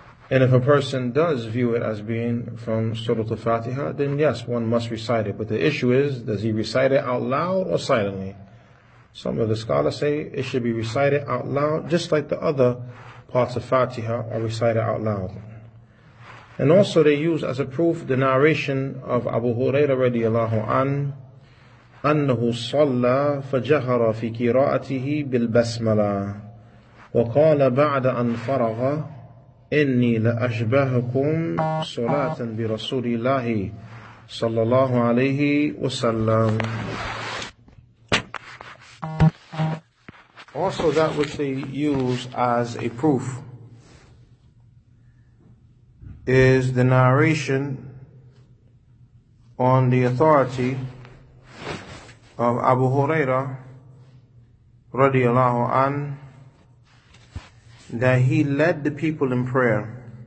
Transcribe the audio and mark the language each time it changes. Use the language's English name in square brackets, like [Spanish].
[English] And if a person does view it as being from Surah al-Fatiha, then yes, one must recite it. But the issue is, does he recite it out loud or silently? Some of the scholars say it should be recited out loud, just like the other parts of Fatiha are recited out loud. And also they use as a proof the narration of Abu Huraira radiallahu anhu, [Arabic] أنه صلى فجهر في قراءته بالبسملة وقال بعد أن فرغ إني لأشبهكم صلاة برسول الله صلى الله عليه وسلم. [English] Also that which they use as a proof is the narration on the authority of Abu Huraira radiallahu an, that he led the people in prayer